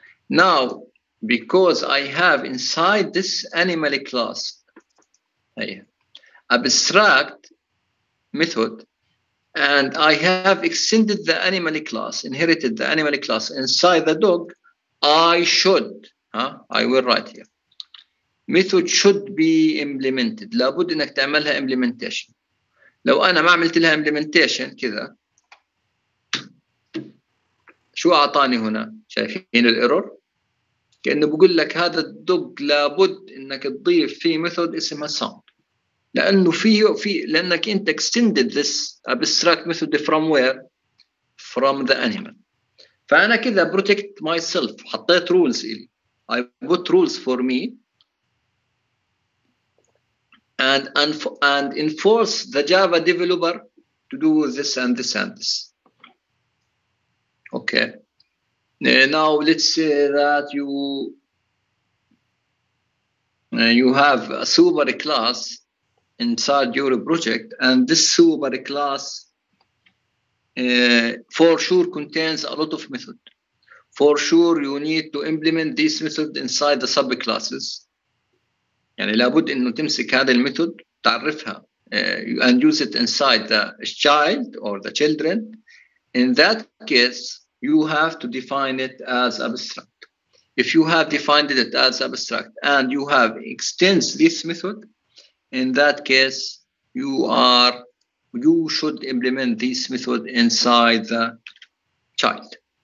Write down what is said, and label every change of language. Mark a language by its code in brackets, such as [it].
[en] Now, because I have inside this animal class, abstract method, and I have extended the animal class, inherited the animal class inside the dog, I should, I will write here, method should be implemented. [ar] لابد انك تعملها implementation. لو انا ما عملت لها implementation كذا, شو أعطاني هنا؟ شايفين الايرور؟ كأنه بقول لك هذا الدق لابد إنك تضيف فيه ميثود اسمها sound, لأنه فيه في لأنك أنت [en] extended this abstract method from where, from the animal. [ar] فأنا كذا [en] protect myself, [ar] حطيت rules إلي. [en] I put rules for me and enforce the Java developer to do this and this and this. Okay. Now let's say that you have a super class inside your project, and this super class for sure contains a lot of method. For sure, you need to implement this method inside the subclasses. [ar] يعني لابد إنه تمسك هذا الميثود تعرفها [en] and use it inside the child or the children. In that case, you have to define it as abstract. If you have defined it as abstract and you have extends this method, in that case, you should implement this method inside the child.